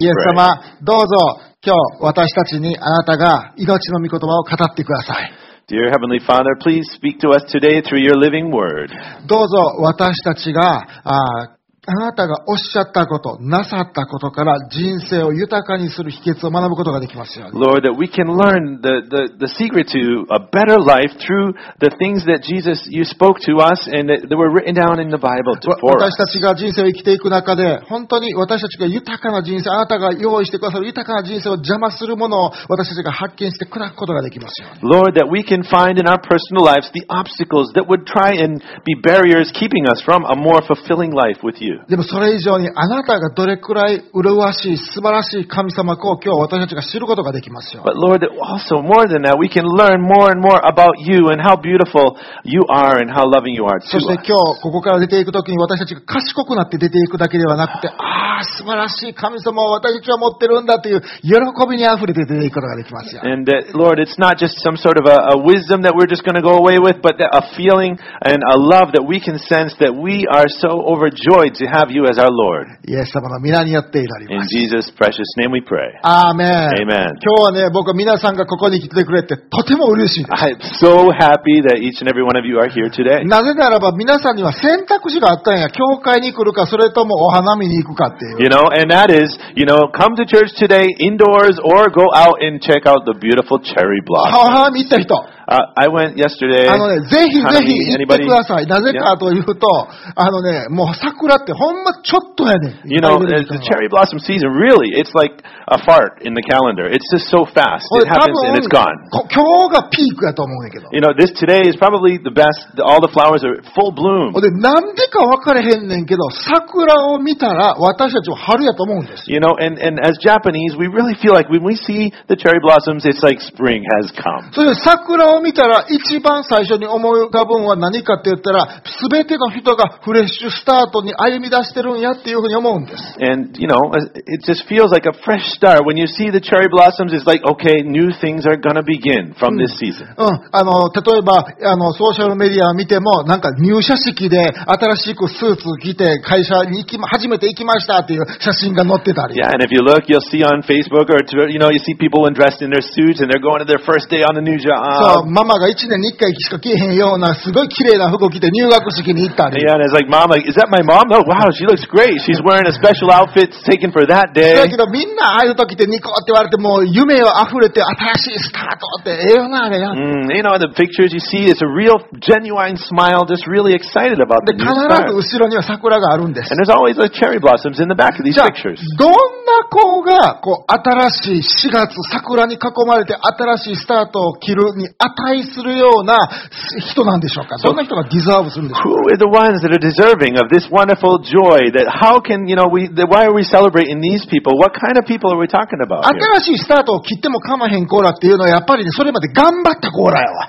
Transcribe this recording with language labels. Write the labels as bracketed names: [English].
[Japanese] イエス様、どうぞ今日私たちにあなたが命の御言葉を語ってください。 [English] Dear Heavenly Father, please speak to us today through your living word. [Japanese] どうぞ私たちが あなたがおっしゃったこと、なさったことから人生を豊かにする秘訣を学ぶことができますように。 [English] Lord, that we can learn the secret to a better life through the things that Jesus, you spoke to us and that were written down in the Bible for us. [Japanese] 私たちが人生を生きていく中で、本当に私たちが豊かな人生、あなたが用意してくださる豊かな人生を邪魔するものを私たちが発見して砕くことができますように。 [English] Lord, that we can find in our personal lives the obstacles that would try and be barriers keeping us from a more fulfilling life with you. [Japanese] でもそれ以上にあなたがどれくらい麗しい素晴らしい神様かを今日私たちが知ることができますよ。 [English] But Lord, also more than that, we can learn more and more about you and how beautiful you are and how loving you are to us. [Japanese] そして今日ここから出ていくときに私たちが賢くなって出ていくだけではなくて、ああ素晴らしい神様を私たちは持ってるんだという喜びにあふれて出ていくことができますよ。 [English] And that, Lord, it's not just some sort of a wisdom that we're just going to go away with, but a feeling and a love that we can sense that we are so overjoyed. To have you as our Lord. [Japanese] イエス様の皆によって祈ります。 [English] In Jesus' precious name we pray. Amen. Amen. [Japanese] 今日はね、僕は皆さんがここに来てくれてとても嬉しいです。 [English] I'm so happy that each and every one of you are here today. [Japanese] なぜならば皆さんには選択肢があったんや。教会に来るか、それともお花見に行くかっていう。 [English] You know, and that is, you know, come to church today indoors or go out and check out the beautiful cherry blossom. [Japanese] お花見行った人。 [English] I went yesterday. [Japanese] あのね、ぜひぜひ行ってください。なぜかというと、あのね、もう桜ってほんまちょっとやねん。 [English] You know, the cherry blossom season, really, it's like a fart in the calendar. It's just so fast. It happens and it's gone. [Japanese] 今日がピークやと思うんやけど。 [English] You know, this today is probably the best. All the flowers are full bloom. [Japanese] で、なんでか分かれへんねんけど、桜を見たら私たちは春やと思うんです。 [English] You know, and as Japanese, we really feel like when we see the cherry blossoms, it's like spring has come. [Japanese] そして桜を見たら一番最初に思い浮かぶのは何かって言ったら、すべての人がフレッシュスタートに歩み出してるんやっていうふうに思うんです。 [English] And you know, it just feels like a fresh start when you see the cherry blossoms. It's like, okay, new things are gonna begin from this season. [Japanese] 例えばソーシャルメディアを見てもなんか入社式で新しくスーツ着て会社に初めて行きましたっていう写真が載ってたり。 [English] Yeah, and if you look, you'll see on Facebook or Twitter, you know, you see people dressed in their suits and they're going to their first day on the new job. [Japanese] ママが1年に1回しか着へんようなすごい綺麗な服を着て入学式に行ったり。 [English] Yeah, and it's like, Mom, is that my mom? Oh, wow, she looks great. She's wearing a special outfit taken for that day. [Japanese] だけどみんなああいう時ってニコって言われてもう夢を溢れて新しいスタートってええよなあれや。 [English] You know, the pictures you see, it's a real genuine smile, just really excited about the new start. [Japanese] で、必ず後ろには桜があるんです。 [English] And there's always like cherry blossoms in the back of these pictures. [Japanese] じゃあ、どんな子がこう新しい4月桜に囲まれて新しいスタートを切るに値するような人なんでしょうか。どんな人がディザーブするんでしょうか。 [English] Who are the ones that are deserving of this wonderful joy? That how can you know we? Why are we celebrating these people? What kind of people are we talking about? [Japanese] 新しいスタートを切っても構わへん子らっていうのはやっぱりね、それまで頑張った子らやわ。